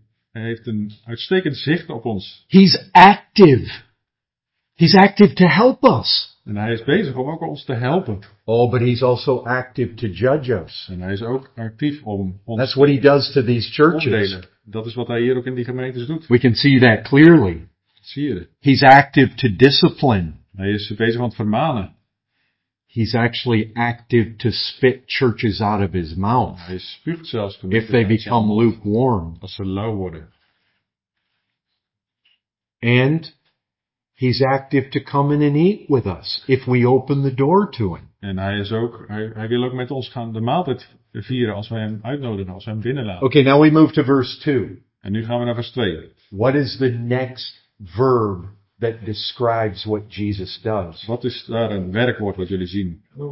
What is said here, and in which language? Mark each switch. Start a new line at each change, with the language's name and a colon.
Dutch: Hij heeft een uitstekend zicht op ons.
English: He's active. He's active to help us.
Dutch: En hij is bezig om ook ons te helpen.
English: Oh, but he's also active to judge us.
Dutch: En hij is ook actief om ons.
English: That's what he does to these churches.
Dutch: Omdelen. Dat is wat hij hier ook in die gemeentes doet.
English: We can see that clearly.
Dutch: Zie je?
English: He's active to discipline.
Dutch: Hij is bezig aan het vermanen.
English: He's actually active to spit churches out of his mouth.
Dutch: Hij spuugt zelfs gemeenten.
English: If they become lukewarm.
Dutch: Als ze lauw worden.
English: And he's active to come in and eat with us if we open the door to him.
Dutch: En hij wil ook met ons gaan de maaltijd vieren als wij hem uitnodigen, als wij hem binnenlaten.
English: Okay, now we move to verse 2.
Dutch: En nu gaan we naar vers 2.
English: What is the next verb that describes what Jesus does?
Dutch: Wat is daar een werkwoord wat jullie zien?